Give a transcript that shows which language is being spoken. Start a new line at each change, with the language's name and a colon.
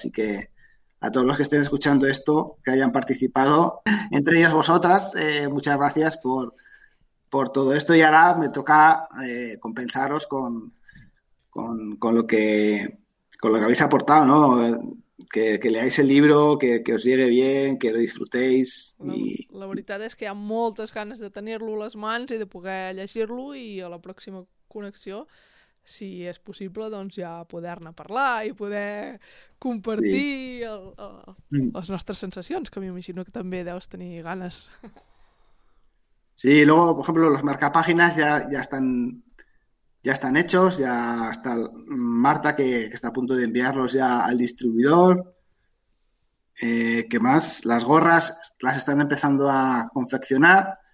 Spanish: Así que a todos los que estén escuchando esto, que hayan participado, entre ellas vosotras, muchas gracias por todo esto. Y ahora me toca compensaros con lo que habéis aportado, ¿no? Que leáis el libro, que os llegue bien, que lo disfrutéis.
Catalan: La veritat és que hi ha moltes ganes de tenir-lo a les mans i de poder llegir-lo i a la pròxima connexió, si és possible, doncs ja poder-ne parlar i poder compartir les nostres sensacions, que m'imagino que també deus tenir ganes.
Spanish: Sí, luego, por ejemplo, los marcapàgines ya están... ya están hechos, ya está Marta que está a punto de enviarlos ya al distribuidor. ¿Qué más? Las gorras las están empezando a confeccionar.